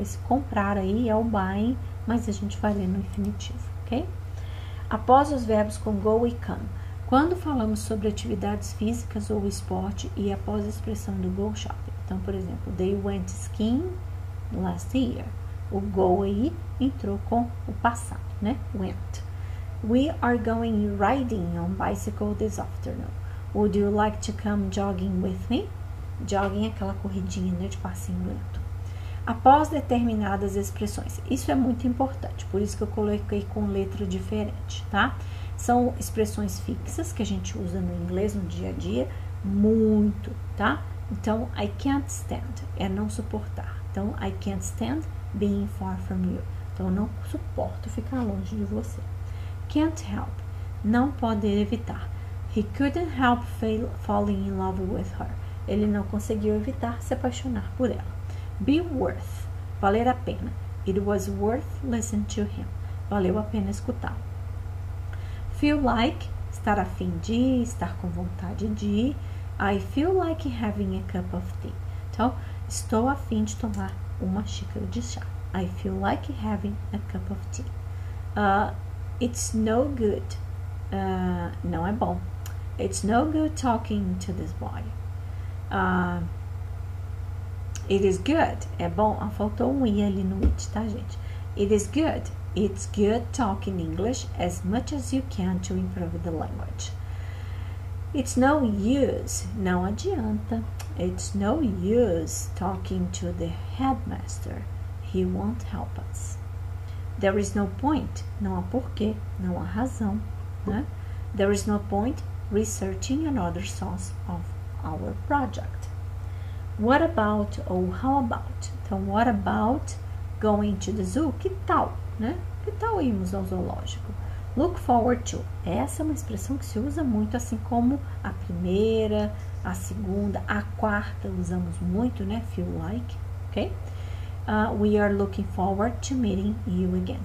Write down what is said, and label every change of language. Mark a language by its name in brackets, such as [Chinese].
[Portuguese] Esse comprar aí é o buying, mas a gente vai ler no infinitivo, ok? Após os verbos com go e come, quando falamos sobre atividades físicas ou esporte e após a expressão do go shopping. Então, por exemplo, [English] they went skiing last year. [Portuguese] O go aí entrou com o passado, né? [English] Went. We are going riding on bicycle this afternoon. Would you like to come jogging with me? [Portuguese] Jogging é aquela corridinha, né, de passinho lento. Após determinadas expressões. Isso é muito importante, por isso que eu coloquei com letra diferente, tá? São expressões fixas que a gente usa no inglês no dia a dia, muito, tá? Então, [English] I can't stand [Portuguese] é não suportar. Então, [English] I can't stand being far from you. [Portuguese] Então, não suporto ficar longe de você. [English] Can't help, [Portuguese] não poder evitar. [English] He couldn't help falling in love with her. [Portuguese] Ele não conseguiu evitar se apaixonar por ela. [English] Be worth, [Portuguese] valer a pena. [English] It was worth listening to him. [Portuguese] Valeu a pena escutá-lo. [English] Feel like, [Portuguese] estar a fim de, estar com vontade de. [English] I feel like having a cup of tea. [Portuguese] Então, estou a fim de tomar uma xícara de chá. [English] I feel like having a cup of tea. It's no good. [Portuguese] Não é bom. [English] It's no good talking to this boy. It is good. [Portuguese] É bom. Ah, faltou um i ali no it, tá, gente? [English] It is good. It's good talking English as much as you can to improve the language. It's no use. [Portuguese] Não adianta. [English] It's no use talking to the headmaster. He won't help us. There is no point. [Portuguese] Não há porquê. Não há razão, né? [English] There is no point researching another source of our project. What about ou how about? [Portuguese] Então, [English] what about going to the zoo? [Portuguese] Que tal, né? Que tal irmos ao zoológico? [English] Look forward to. [Portuguese] Essa é uma expressão que se usa muito, assim como a primeira, a segunda, a quarta usamos muito, né? [English] Feel like, ok? We are looking forward to meeting you again.